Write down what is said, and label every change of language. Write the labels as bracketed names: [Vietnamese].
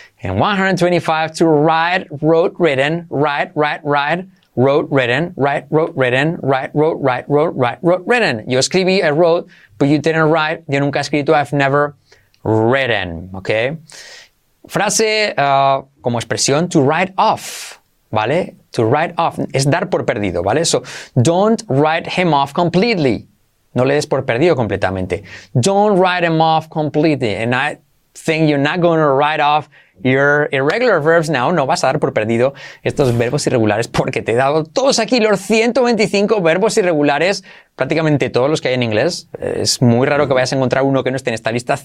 [English] And 125, to ride, wrote, written, ride, ride, ride, wrote, written, write, wrote, written, write, wrote, write, wrote, write, wrote, written. [Spanish] Yo escribí, [English] I wrote, but you didn't write, [Spanish] yo nunca he escrito, [English] I've never written, ¿ok? [Spanish] Frase como expresión, to write off, ¿vale? To write off, es dar por perdido, ¿vale? [English] So, don't write him off completely. [Spanish] No le des por perdido completamente. [English] Don't write him off completely. And I think you're not going to write off your irregular verbs now. [Spanish] No vas a dar por perdido estos verbos irregulares porque te he dado todos aquí los 125 verbos irregulares, prácticamente todos los que hay en inglés. Es muy raro que vayas a encontrar uno que no esté en esta lista.